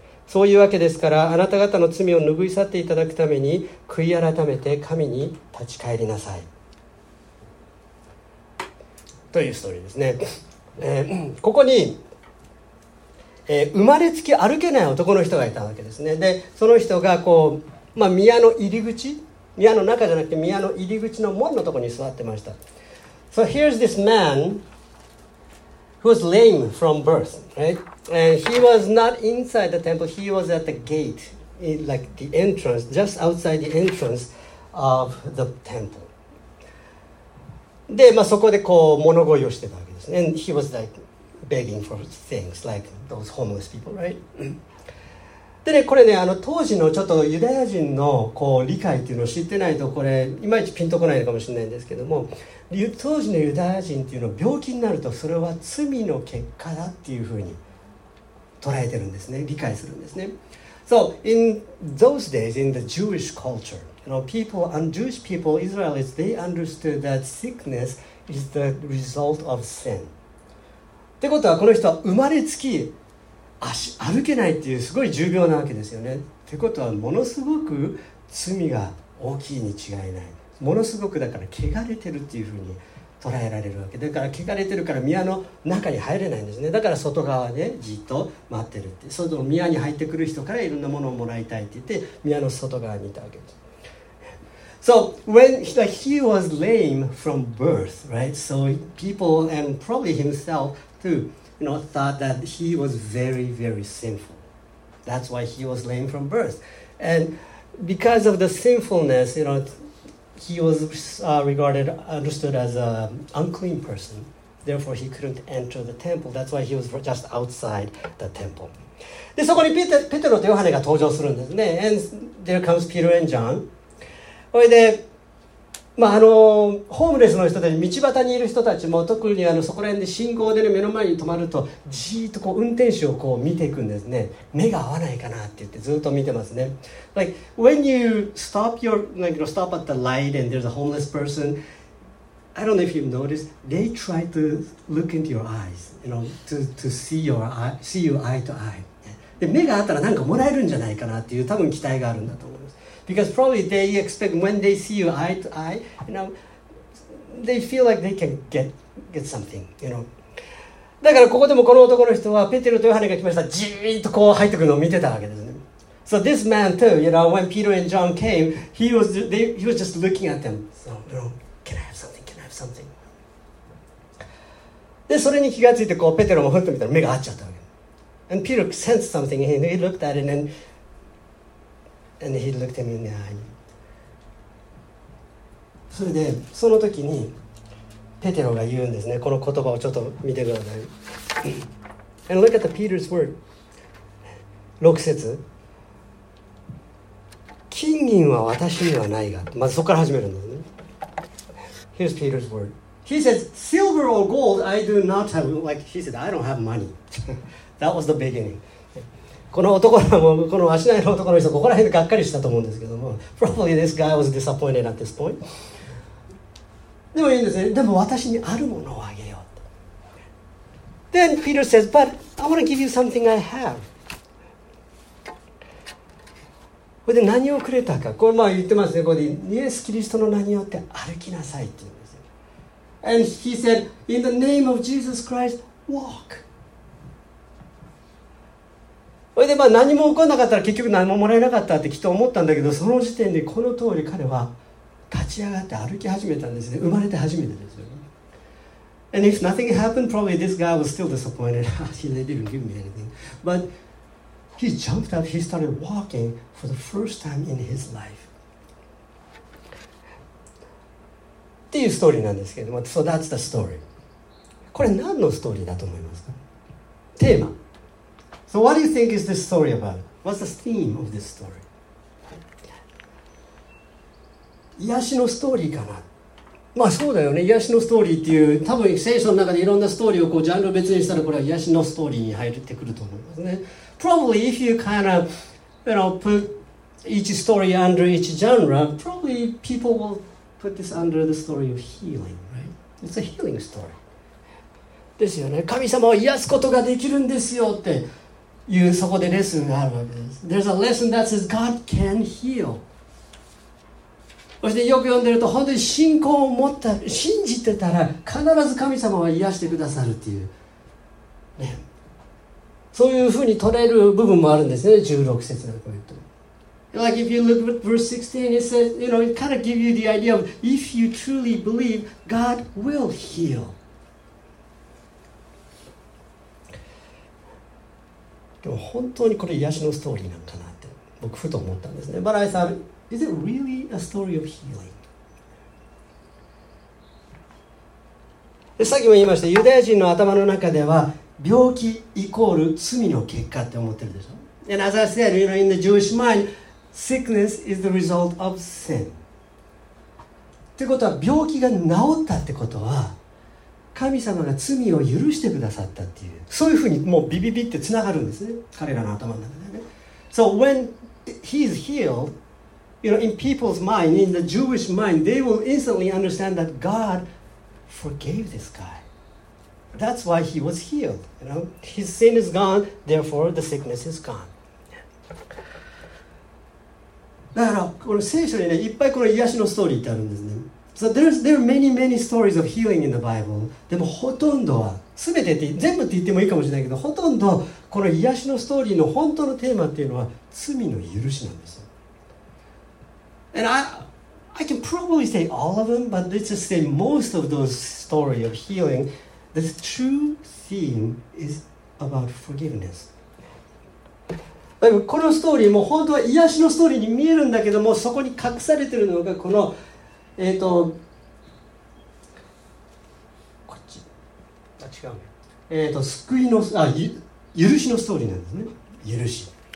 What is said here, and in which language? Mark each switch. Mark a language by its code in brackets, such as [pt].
[ja] そういうわけですから、あなた方の罪を拭い去っていただくために悔い改めて神に立ち返りなさいというストーリーですね。ここに、生まれつき歩けない男の人がいたわけですね。で、その人がこうまあ、宮の入り口、宮の中じゃなくて宮の入り口の門のところに座ってました。 [en] So here's this man who was lame from birth, right? And he was not inside the temple, he was at the gate, like the entrance, just outside the entrance of the temple. [ja] で、まあ、そこでこう物乞いをしてたわけですね。 [en] And he was like begging for things, like those homeless people, right? [ja] でね、これね、あの当時のちょっとユダヤ人のこう理解っていうのを知ってないと、これいまいちピンとこないかもしれないんですけども、当時のユダヤ人っていうのは病気になるとそれは罪の結果だっていうふうに捉えてるんですね、理解するんですね。 [en] So in those days in the Jewish culture, you know, people and Jewish people, Israelites, they understood that sickness is the result of sin. [ja] ってことはこの人は生まれつき歩けないっていうすごい重病なわけですよね。ってことはものすごく罪が大きいに違いない、ものすごくだから汚れてるっていうふうに捉えられるわけだから、汚れてるから宮の中に入れないんですね。だから外側でじっと待ってるって、その宮に入ってくる人からいろんなものをもらいたいって言って宮の外側にいたわけです。 [en] So when he was lame from birth, right? So people and probably himself tooYou know, thought that he was very, very sinful. That's why he was lame from birth. And because of the sinfulness, you know, he was understood as an unclean person. Therefore, he couldn't enter the temple. That's why he was just outside the temple. [ja] で、そこにペテロとヨハネが登場するんですね。 [en] And there comes Peter and John. [ja] それで、まあ、あのホームレスの人たち、道端にいる人たちも特にあのそこら辺で信号で、ね、目の前に止まるとじーっとこう運転手をこう見ていくんですね。目が合わないかなって言ってずっと見てますね。 [en] Like when you stop, your, like, you know, stop at the light and there's a homeless person, I don't know if you've noticed, they try to look into your eyes, you know, to see, your eye, see you eye to eye. [ja] で目が合ったら何かもらえるんじゃないかなっていう多分期待があるんだと思う。 [en] Because probably they expect when they see you eye to eye, you know, they feel like they can get something, you know. [ja] だからここでもこの男の人はペテロとヨハネが来ました。じーっとこう入ってくるのを見てたわけですね。 [en] So this man too, you know, when Peter and John came, he was just looking at them. So, you know, can I have something? [ja] で、それに気がついてこうペテロもふっと見たら目が合っちゃったわけ。 [en] And Peter sensed something and he looked at it and he looked him in the eye. [ja] それでその時にペテロが言うんですね、この言葉をちょっと見てください。 [en] And look at the Peter's word. [ja] 6節、金銀は私にはないが、まずそこから始めるんですね。 [en] Here's Peter's word. He says, silver or gold I do not have, like he said, I don't have money. That was the beginning. [ja] この男の、この足内の男の人、ここら辺でがっかりしたと思うんですけども、 [en] Probably this guy was disappointed at this point. [ja] でもいいんですね。でも私にあるものをあげようと。 [en] Then Peter says, but I want to give you something I have. [ja] これで何をくれたか。これまあ言ってますね。これでイエス・キリストの名によって歩きなさいって言うんですよ。 [en] And he said, in the name of Jesus Christ, walk. [ja] それでまあ何も起こらなかったら結局何ももらえなかったってきっと思ったんだけど、その時点でこの通り彼は立ち上がって歩き始めたんですね。生まれて初めてですよ。 [en] And if nothing happened, probably this guy was still disappointed. He didn't give me anything. But he jumped up, he started walking for the first time in his life. [ja] っていうストーリーなんですけども、 [en] So that's the story. [ja] これ何のストーリーだと思いますか？テーマ。 [en] So what do you think is this story about? What's the theme of this story? [ja] 癒しのストーリーかな。まあそうだよね。癒しのストーリーっていう、多分聖書の中でいろんなストーリーをこうジャンル別にしたら、これは癒しのストーリーに入ってくると思いますね。 [en] Probably if you kind of, you know, put each story under each genre, probably people will put this under the story of healing, right? It's a healing story. [ja] ですよね。神様を癒すことができるんですよって。いうそこでレッスンがあるわけです。 [en] There's a lesson that says God can heal. [ja] そしてよく読んでると、本当に信仰を持った、信じてたら必ず神様は癒してくださるっていう、ね、そういうふうに取れる部分もあるんですね。16節のポイント。 [en] Like if you look at verse 16, it says, you know, it kind of gives you the idea of if you truly believe, God will heal. [ja] でも本当にこれ癒しのストーリーなんかなって僕ふと思ったんですね。 [en] But I thought, is it really a story of healing? [ja] さっきも言いました、ユダヤ人の頭の中では病気イコール罪の結果って思ってるでしょ。 [en] And as I said, you know, in the Jewish mind, sickness is the result of sin. [ja] ってことは病気が治ったってことは神様が罪を許してくださったっていう、そういうふうにもうビビビってつながるんですね、彼らの頭の中でね。 [en] So when he's healed, you know, in people's mind, in the Jewish mind, they will instantly understand that God forgave this guy. That's why he was healed. You know, his sin is gone, therefore the sickness is gone. [ja] だからこの聖書にね、いっぱいこの癒しのストーリーってあるんですね。 [en] So there are many, many stories of healing in the Bible. [ja] でもほとんどは、すべてって、全部って言ってもいいかもしれないけど、ほとんどこの癒しのストーリーの本当のテーマっていうのは、罪の許しなんですよ。 [en] And I can probably say all of them, but let's just say most of those stories of healing, the true theme is about forgiveness. [ja] このストーリーも本当は癒しのストーリーに見えるんだけども、そこに隠されているのがこの、こっち、あ、違うね。救いの、あ、許しのストーリーなんですね。許し。